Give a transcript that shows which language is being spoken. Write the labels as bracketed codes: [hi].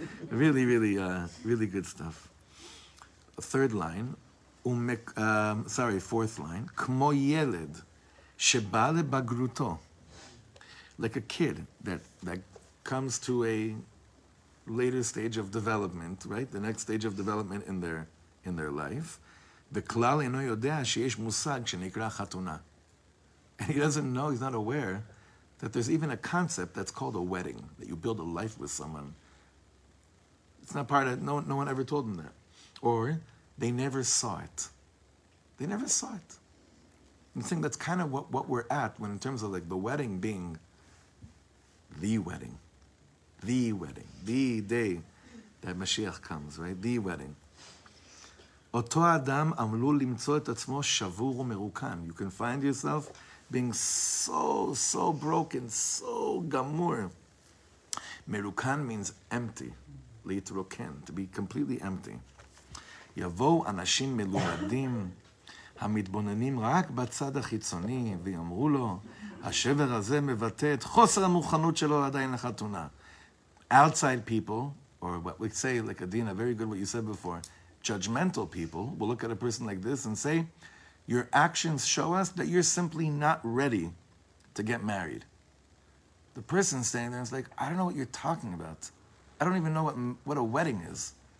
[en] Really, really, really good stuff. Third line, fourth line. [he] Kmo yeled sheba lebagruto, [en] like a kid that comes to a later stage of development, right? The next stage of development in their life. [he] וכלל אינו יודע שיש מושג שנקרא חתונה. [en] And he doesn't know, he's not aware, that there's even a concept that's called a wedding, that you build a life with someone. It's not part of, no one ever told him that. Or they never saw it. They never saw it. I think that's kind of what we're at when in terms of like the wedding being the wedding. The wedding. The day that Mashiach comes, right? The wedding. [he] אותו אדם עמלו למצוא את עצמו שבור ומרוקן. [en] You can find yourself being so, so broken, so gamur. מרוקן means empty, להתרוקן, to be completely empty. [he] יבואו אנשים מלומדים, המתבוננים רק בצד החיצוני, ויאמרו לו, השבר הזה מבטא את חוסר המוכנות שלו עדיין לחתונה. [en] Outside people, or what we say, like Adina, very good what you said before, judgmental people will look at a person like this and say, your actions show us that you're simply not ready to get married. The person standing there is like, I don't know what you're talking about. I don't even know what a wedding is.